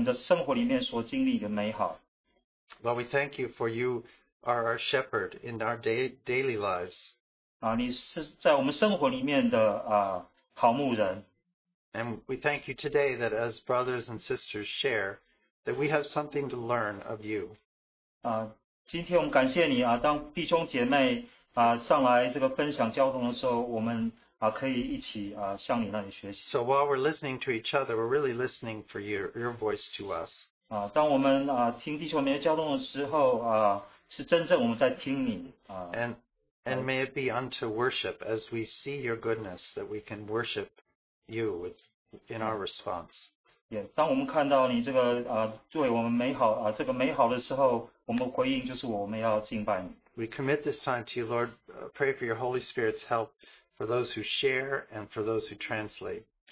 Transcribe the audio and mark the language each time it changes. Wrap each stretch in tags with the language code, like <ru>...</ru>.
<zh>主耶稣，天父，我们有这个机会能够在我们的生活里面所经历的美好。</zh> <en>Lord, we thank you for you are our shepherd in our daily lives.</en> <zh>你是在我们生活里面的好牧人。</zh> <en>And we thank you today that as brothers and sisters share, that we have something to learn of you.</en> <zh>今天我们感谢你，当弟兄姐妹上来这个分享交通的时候，我们可以一起向你那里学习。</zh> <en>So while we're listening to each other, we're really listening for your voice to us.</en> <zh>当我们听弟兄姐妹交通的时候，是真正我们在听你。</zh> <en>And may it be unto worship as we see your goodness that we can worship you in our response.</en> <zh>Yeah, 当我们看到你这个对我们美好的时候，我们回应就是我们要敬拜你。</zh> <en>We commit this time to you, Lord. Pray for your Holy Spirit's help for those who share and for those who translate.</en>